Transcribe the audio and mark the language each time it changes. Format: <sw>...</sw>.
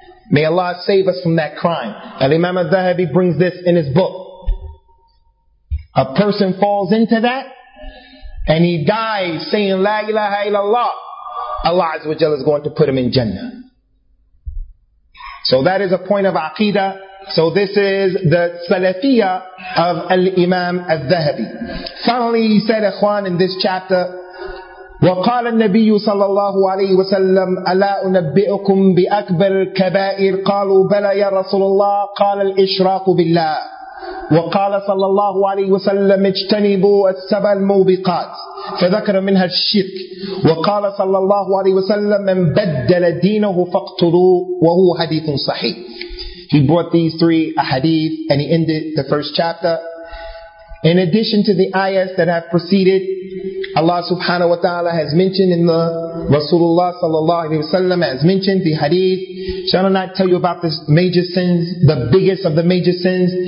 <en>May Allah save us from that crime. Al-Imam al-Zahabi brings this in his book. A person falls into that, and he dies saying, La ilaha illallah. Allah Azza wa Jalla is going to put him in Jannah. So that is a point of aqidah. So this is the salafiyya of Al-Imam al-Zahabi. Finally, he said, Ikhwan, in this chapter,</en> <ar>وقال النبي صلى الله عليه وسلم ألا أنبئكم بأكبر الكبائر قالوا بلى يا رسول الله قال الإشراك بالله وقال صلى الله عليه وسلم اجتنبوا السبع الموبقات فذكر منها الشرك وقال صلى الله عليه وسلم من بدل دينه فاقتلوه وهو حديث صحيح.</ar> <en>He brought these three ahadith and he ended the first chapter. In addition to the ayahs that have preceded, Allah subhanahu wa ta'ala has mentioned in the Rasulullah sallallahu alayhi wa sallam has mentioned the hadith. Shall I not tell you about this major sins, the biggest of the major sins?</en>